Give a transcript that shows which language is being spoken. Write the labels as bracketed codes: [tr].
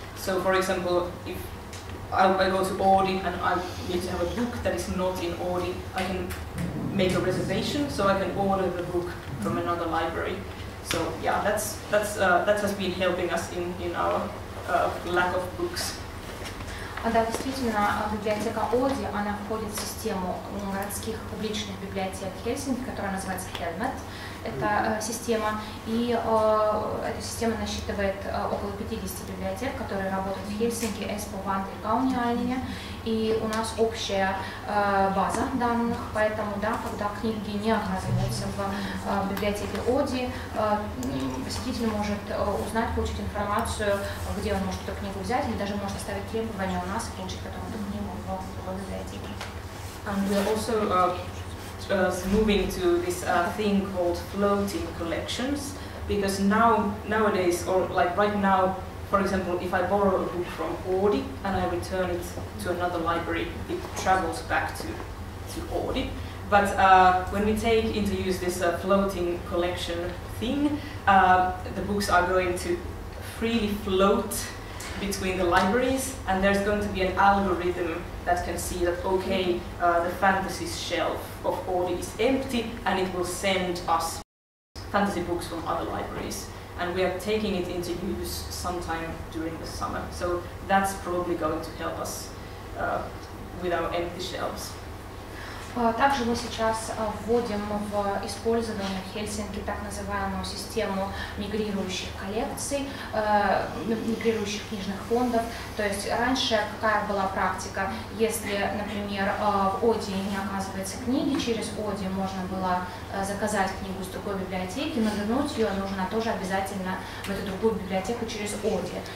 [en] So for example, if I go to Oodi and I need to have a book that is not in Oodi, I can make a reservation, so I can order the book from another library. So yeah, that has been helping us in our lack of books. [ru] Да, действительно, библиотека Оди, она входит в систему городских публичных библиотек Хельсинки, которая называется Хельмет. это система, и эта система насчитывает около 50 библиотек, которые работают в Хельсинки, Эспо, Ванте, Кауниалине, и у нас общая база данных, поэтому, да, когда книги не оказываются в библиотеке Оди, посетитель может узнать, получить информацию, где он может эту книгу взять, или даже может оставить требования у нас и получить потом эту книгу в библиотеке. [en] And we're also moving to this thing called floating collections, because nowadays, or like right now, for example, if I borrow a book from Oodi and I return it to another library, it travels back to Oodi. But when we take into use this floating collection thing, the books are going to freely float between the libraries, and there's going to be an algorithm that can see that, okay, the fantasy shelf of Oodi is empty, and it will send us fantasy books from other libraries. And we are taking it into use sometime during the summer. So that's probably going to help us with our empty shelves. [ru] Также мы сейчас вводим в использованную в Хельсинки так называемую систему мигрирующих коллекций, мигрирующих книжных фондов. То есть раньше какая была практика, если, например, в Оди не оказывается книги, через Оди можно было заказать книгу из другой библиотеки, но вернуть ее нужно тоже обязательно в эту другую библиотеку через Оди.